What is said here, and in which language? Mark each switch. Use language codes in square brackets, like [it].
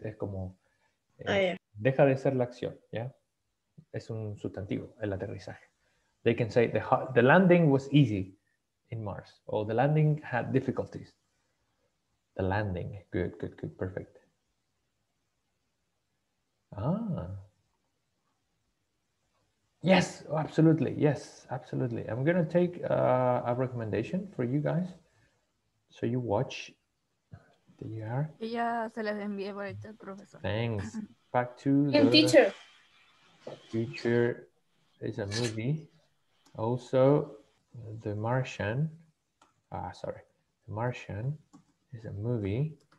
[es] es como, deja de ser la acción, yeah? Es un sustantivo, el aterrizaje. [en] They can say the landing was easy in Mars, or the landing had difficulties. The landing, good, perfect. Yes, absolutely. I'm gonna take a recommendation for you guys, so you watch. You are? [es] Ya se les envié por el chat, profesor. [en] Thanks. Back to teacher. Teacher is a movie. Also, The Martian. The Martian is a movie.